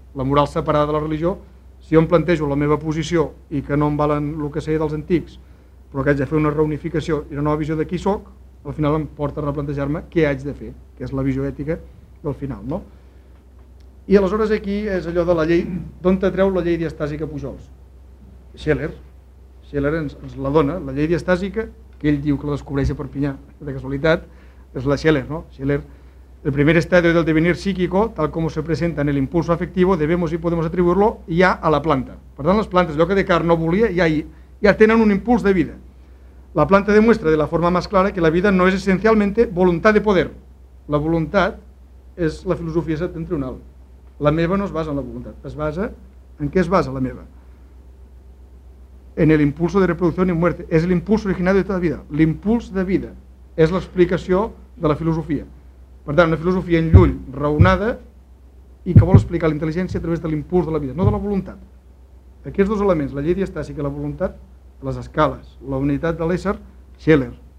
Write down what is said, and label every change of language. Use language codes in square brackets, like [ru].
[ca] La moral separada de la religió, si jo em plantejo la meva posició i que no em valen el que sé dels antics, però que haig de fer una reunificació i una nova visió de qui sóc, al final em porta a replantejar-me què haig de fer, que és la visió ètica del final, no? I aleshores aquí és allò de la llei, d'on te treu la llei diastàsica Pujols? Scheler. Scheler ens la dona, la llei diastàsica, que ell diu que la descobreix a Perpinyà, de casualitat, és la Scheler, no? [es] Scheler, el primer estadio del devenir psíquico, tal com se presenta en el impulso afectivo, debemos y podemos atribuirlo, [ca] ja a la planta. Per tant, les plantes, allò que Descartes no volia, ja tenen un impuls de vida. [es] La planta demuestra de la forma más clara que la vida no es esencialmente voluntad de poder. La voluntad es la filosofía septentrional. [ca] La meva no es basa en la voluntad. Es basa en què es basa la meva? [es] En el impulso de reproducción y muerte. Es el impulso originario de toda vida. [ca] L'impuls de vida és l'explicació de la filosofia. Per tant, una filosofia en llull, raonada, i que vol explicar la intel·ligència a través de l'impuls de la vida, no de la voluntat. Aquests dos elements, la llei diastàsica i la voluntat, les escales, la unitat de l'ésser, Scheler.